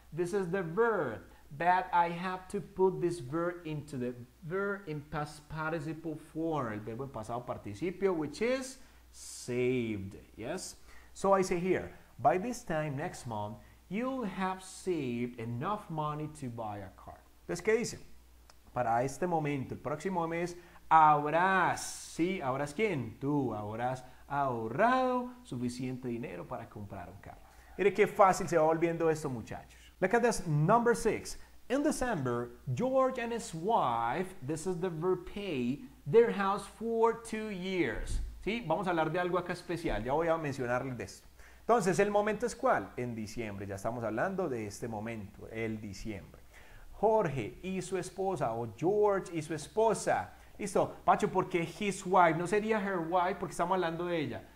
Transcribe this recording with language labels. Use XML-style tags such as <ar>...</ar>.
<en>This is the verb, but I have to put this verb into the verb in past participle form,</en> <es>el verbo en pasado participio,</es> <en>which is saved, yes? So I say here, by this time next month, you'll have saved enough money to buy a car.</en> <es>Entonces, ¿qué dice? Para este momento, el próximo mes, habrás, ¿sí? ¿Habrás quién? Tú, habrás ahorrado suficiente dinero para comprar un carro. Mire qué fácil se va volviendo esto, muchachos.</es> <en>Look at this, number six. In December, George and his wife, this is the verb pay, their house for 2 years.</en> <es>¿Sí? Vamos a hablar de algo acá especial. Ya voy a mencionarles de esto. Entonces, ¿el momento es cuál? En diciembre. Ya estamos hablando de este momento, el diciembre. Jorge y su esposa, o George y su esposa. ¿Listo? Pacho, ¿por qué his wife? No sería her wife porque estamos hablando de ella.</es>